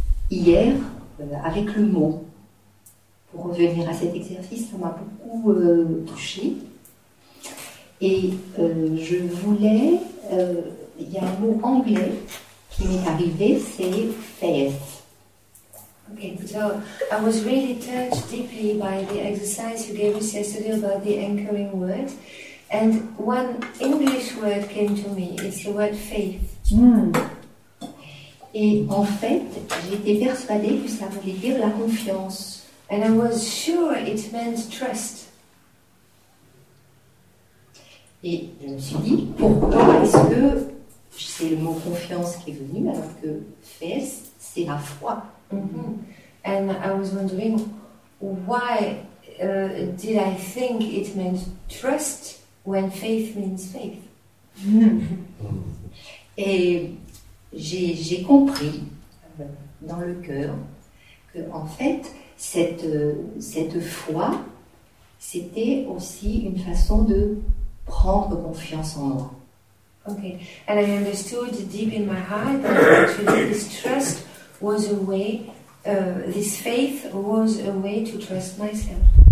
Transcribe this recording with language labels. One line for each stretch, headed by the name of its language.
French: Hier, avec le mot, pour revenir à cet exercice, ça m'a beaucoup touchée. Et je voulais, il y a un mot anglais qui m'est arrivé, c'est faith.
English: Okay, so I was really touched deeply by the exercise you gave us yesterday about the anchoring word. And one English word came to me, it's the word faith. Mm.
French: Et en fait, j'étais persuadée que ça voulait dire la confiance.
English: And I was sure it meant trust.
French: Et je me suis dit, pourquoi est-ce que c'est le mot confiance qui est venu, alors que faith, c'est la foi. Mm-hmm.
English: And I was wondering, why did I think it meant trust when faith means faith?
French: Et j'ai compris dans le cœur que, en fait, cette foi, c'était aussi une façon de prendre confiance en moi.
English: Okay, and I understood deep in my heart that actually this trust was a way, this faith was a way to trust myself.